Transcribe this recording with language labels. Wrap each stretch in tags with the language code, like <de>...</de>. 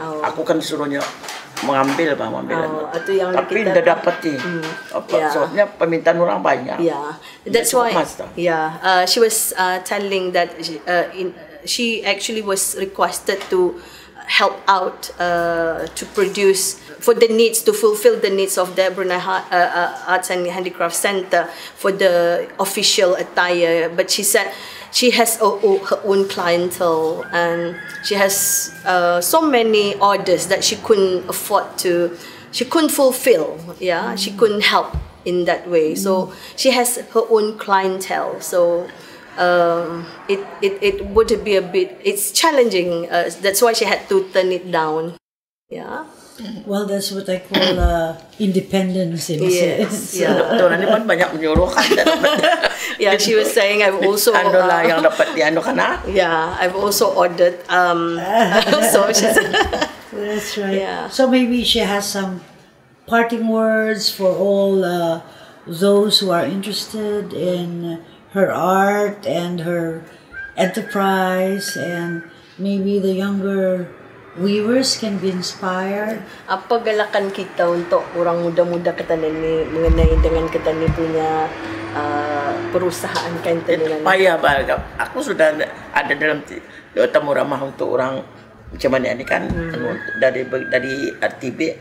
<ms>Aku kan suruhnya mengambil bah, mengambil. Itu yang tapi kita tidak dapat sih. Soalnya permintaan orang banyak.</ms> <en>That's why. She was telling that she actually was requested to help out to produce for the needs, to fulfill the needs of the Brunei Arts and Handicraft Center for the official attire. But she said she has her own clientele and she has so many orders that she couldn't afford to, she couldn't fulfill, yeah, she couldn't help in that way. So she has her own clientele, so it would be a bit, it's challenging, that's why she had to turn it down. Yeah. Well, that's what I call independence in a sense.</en> <ms>Doktor ini pun banyak menyuruh kan.</ms> <en>Yeah, she was saying I've also</en> <ms>Andolah yang dapat di anu kana.</ms> <en>Yeah, I've also ordered so she's that's right. Yeah. So maybe she has some parting words for all those who are interested in her art and her enterprise, and maybe the younger weavers can be inspired.</en> <ms>Apa galakan kita untuk orang muda-muda ketani ni mengenai dengan ketani punya perusahaan kain tenun? Payah banget. Aku sudah ada dalam temu ramah untuk orang macam mana ni kan, dari RTB.</ms>